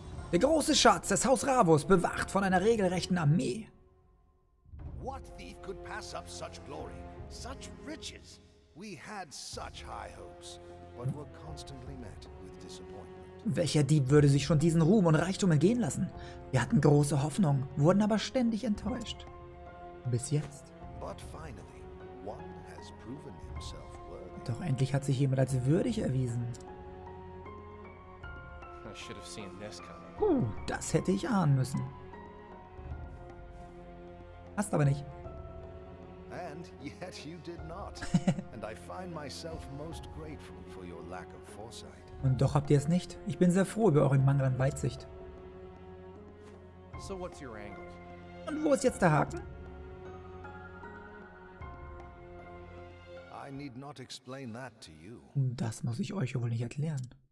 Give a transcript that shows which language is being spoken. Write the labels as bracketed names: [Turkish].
[German] Der große Schatz des Haus Ravos, bewacht von einer regelrechten Armee. [English] What thief could pass up such glory, such riches? We had such high hopes, but were constantly met with disappointment. [German] Welcher Dieb würde sich schon diesen Ruhm und Reichtum entgehen lassen? Wir hatten große Hoffnung, wurden aber ständig enttäuscht. Bis jetzt. [English] But finally, one has proven himself worthy. [German] Doch endlich hat sich jemand als würdig erwiesen. [English] I should have seen this coming. [German] Das hätte ich ahnen müssen. Hast aber nicht. [English] And yet you did not. And I find myself most grateful for your lack of foresight. [German] Und doch habt ihr es nicht. Ich bin sehr froh über euren Mangel an Weitsicht. [English] So what's your angle? [German] Und wo ist jetzt der Haken? [English] I need not explain that to you. [German] Das muss ich euch wohl nicht erklären.